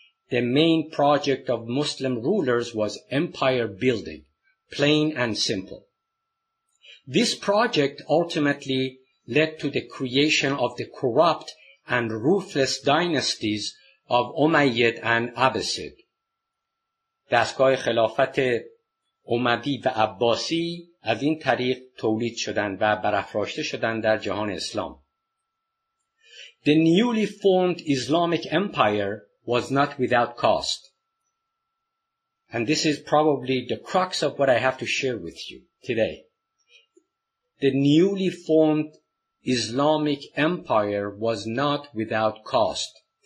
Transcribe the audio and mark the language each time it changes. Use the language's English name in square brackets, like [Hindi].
[English] The main project of Muslim rulers was empire building, plain and simple. This project ultimately led to the creation of the corrupt and ruthless dynasties of Umayyad and Abbasid. [Persian] دستگاه خلافت اموی و عباسی از این طریق تولید شدند و برافراشته شدند در جهان اسلام. [English] The newly formed Islamic empire was not without cost. And this is probably the crux of what I have to share with you today. The newly formed Islamic empire was not without cost.